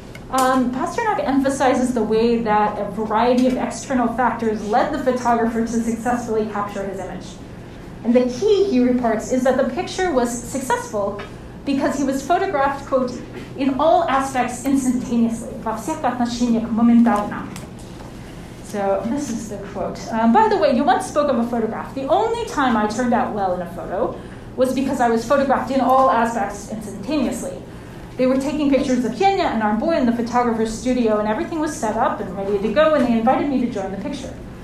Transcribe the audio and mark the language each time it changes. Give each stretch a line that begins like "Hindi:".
English: Pasternak emphasizes the way that a variety of external factors led the photographer to successfully capture his image. And the key, he reports, is that the picture was successful because he was photographed, quote, in all aspects instantaneously.
Russian: Во всех отношениях моментально.
English: So this is the quote. By the way, you once spoke of a photograph. The only time I turned out well in a photo was because I was photographed in all aspects instantaneously. They were taking pictures of Yenya and our boy in the photographer's studio, and everything was set up and ready to go, and they invited me to join the picture.